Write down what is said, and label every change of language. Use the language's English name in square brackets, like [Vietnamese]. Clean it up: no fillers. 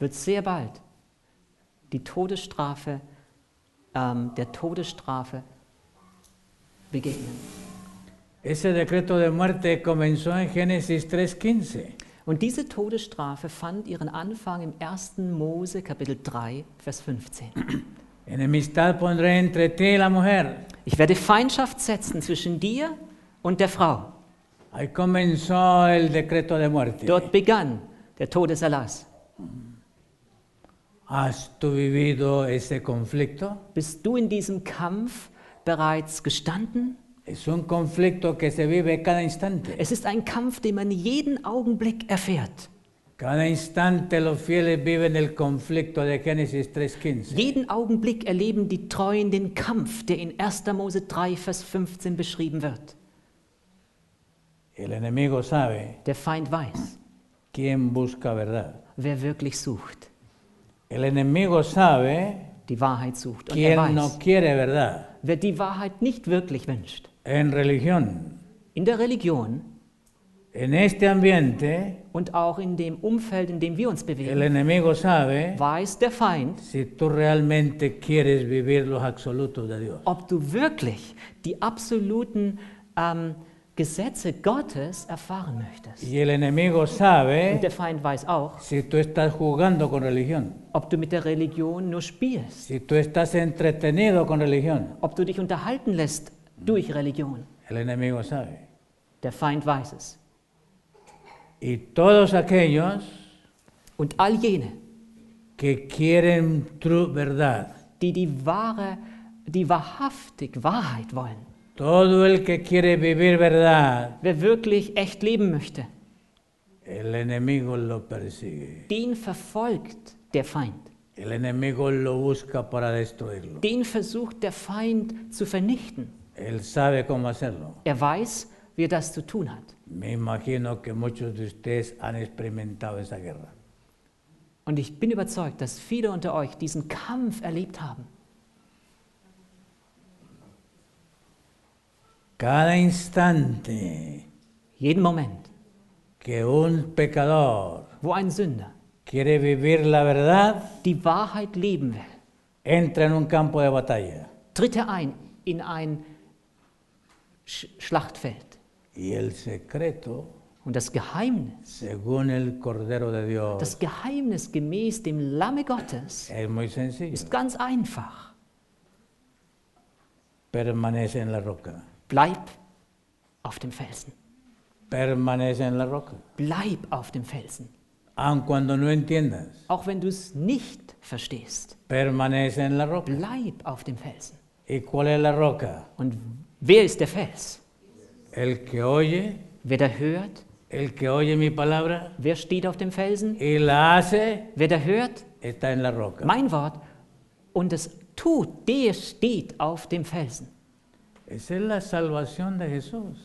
[German] Wird sehr bald die Todesstrafe, der Todesstrafe begegnen. [Spanish] Ese decreto de muerte comenzó en Génesis 3:15. [German] Und diese Todesstrafe fand ihren Anfang im 1. Mose Kapitel 3 Vers 15. [Spanish] Enemistad pondré entre ti y la mujer. [German] Ich werde Feindschaft setzen zwischen dir und der Frau. [Spanish] Ahí comenzó el decreto de muerte. [German] Dort begann der Todeserlass. [Spanish] ¿Has tú vivido ese conflicto? [German] Bist du in diesem Kampf bereits gestanden? [Spanish] Es un conflicto que se vive cada instante. [German] Es ist ein Kampf, den man jeden Augenblick erfährt. [Spanish] Cada instante los fieles viven el conflicto de Génesis 3:15. [German] Jeden Augenblick erleben die Treuen den Kampf, der in 1. Mose 3, Vers 15 beschrieben wird. [Spanish] El enemigo sabe, [German] der Feind weiß, [Spanish] quien busca verdad. [German] Wer wirklich sucht. [Spanish] El enemigo sabe, [German] die Wahrheit sucht. Und er weiß, [Spanish] no quiere verdad. [German] Wer die Wahrheit nicht wirklich wünscht, [Spanish] en religión, [German] in der Religion, [Spanish] en este ambiente, [German] und auch in dem Umfeld, in dem wir uns bewegen, [Spanish] el enemigo sabe, [German] weiß der Feind, [Spanish] si tú realmente quieres vivir los absolutos de Dios. [German] Ob du wirklich die absoluten Gesetze Gottes erfahren möchtest. [Spanish] Y el enemigo sabe, [German] und der Feind weiß auch, [Spanish] si tú estás jugando con religión, [German] ob du mit der Religion nur spielst, [Spanish] si tú estás entretenido con religión, [German] ob du dich unterhalten lässt durch Religion. [Spanish] El enemigo sabe. [German] Der Feind weiß es. [Spanish] Y todos aquellos, [German] und all jene, [Spanish] que quieren true verdad, [German] die wahrhaftig Wahrheit wollen, [Spanish] todo el que quiere vivir verdad, [German] wer wirklich echt leben möchte, [Spanish] el enemigo lo persigue. [German] Den verfolgt der Feind. [Spanish] El enemigo lo busca para destruirlo. [German] Den versucht der Feind zu vernichten. [Spanish] Él sabe cómo hacerlo. [German] Er weiß, wie er das zu tun hat. [Spanish] Me imagino que muchos de ustedes han experimentado esa guerra. [German] Und ich bin überzeugt, dass viele unter euch diesen Kampf erlebt haben. [Spanish] Cada instante, [German] jeden Moment, [Spanish] que un pecador, [German] wo ein Sünder, [Spanish] quiere vivir la verdad, [German] die Wahrheit leben will, [Spanish] entra en un campo de batalla, [German] tritt er ein in ein Schlachtfeld. [Spanish] Y el secreto, [German] Und das Geheimnis, [Spanish] según el Cordero de Dios, [German] das Geheimnis gemäß dem Lamme Gottes, [Spanish] es muy sencillo, [German] ist ganz einfach. [Spanish] Permanece en la roca. [German] Bleib auf dem Felsen. [Spanish] Permanece en la roca. [German] Bleib auf dem Felsen. [Spanish] Aun cuando no entiendas. [German] Auch wenn du es nicht verstehst. [Spanish] Permanece en la roca. [German] Bleib auf dem Felsen. [Spanish] ¿Y cuál es la roca? [German] Und wer ist der Fels? [Spanish] El que oye. [German] Wer da hört. [Spanish] El que oye mi palabra. [German] Wer steht auf dem Felsen. [Spanish] Y la hace. [German] Wer da hört. [Spanish] Está en la roca. [German] Mein Wort. Und es tut, der steht auf dem Felsen. [Spanish] Esa es la salvación de Jesús.